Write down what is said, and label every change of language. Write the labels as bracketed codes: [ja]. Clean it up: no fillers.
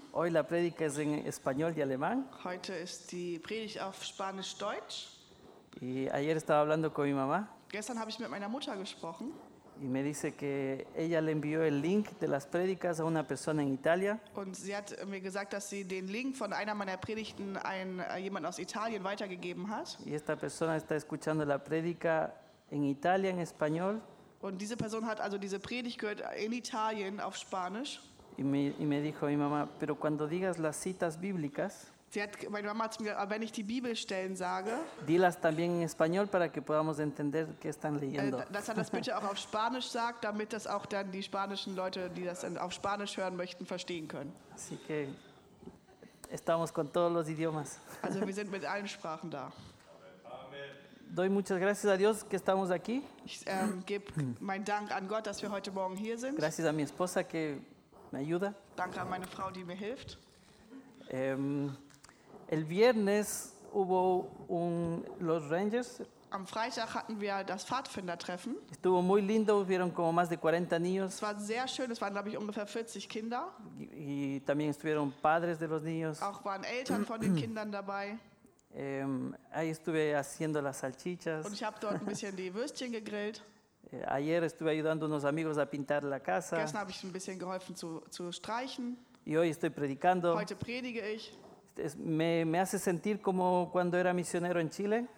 [es] Hoy la predica es en español y alemán. [de] Heute ist die Predigt auf Spanisch-Deutsch. [es] Y ayer estaba hablando con mi mamá. [de] Gestern habe ich mit meiner Mutter gesprochen. [es] Y me dice que ella le envió el link de las predicas a una persona en Italia. [de] Und sie hat mir gesagt, dass sie den Link von einer meiner Predigten an jemanden aus Italien weitergegeben hat. [es] Y esta persona está escuchando la predica en Italia en español. [de] Und diese Person hat also diese Predigt gehört in Italien auf Spanisch. [es] Y me dijo mi mamá, pero cuando digas las citas bíblicas, [de] meine Mama hat mir gesagt, wenn ich die Bibelstellen sage, [es] dilas también en español para que podamos entender qué están leyendo. [de] Dass er das bitte auch auf Spanisch sagt, damit das auch dann die spanischen Leute, die das auf Spanisch hören möchten, verstehen können. [es] Así que estamos con todos los idiomas. [de] Also wir sind mit allen Sprachen da. [es] Doy muchas gracias a Dios que estamos aquí. [de] Ich gebe meinen Dank an Gott, dass wir heute Morgen hier sind. [es] Gracias a mi esposa que me ayuda. [de] Danke an meine Frau, die mir hilft. [es] El viernes hubo los Rangers. [de] Am Freitag hatten wir das Pfadfindertreffen. [es] Estuvo muy lindo, hubieron como más de 40 niños. [de] Es war sehr schön, es waren glaube ich ungefähr 40 Kinder. [es] Y también estuvieron padres de los niños. [de] Auch waren Eltern von den Kindern dabei. [es] Ahí estuve haciendo las salchichas. [de] Und ich habe dort ein bisschen die Würstchen gegrillt. [es] Ayer estuve ayudando unos amigos a pintar la casa. [de] Gestern habe ich ein bisschen geholfen zu streichen. [es] Y hoy estoy predicando. [de] Heute predige ich. [es] Me hace sentir como cuando era misionero en Chile.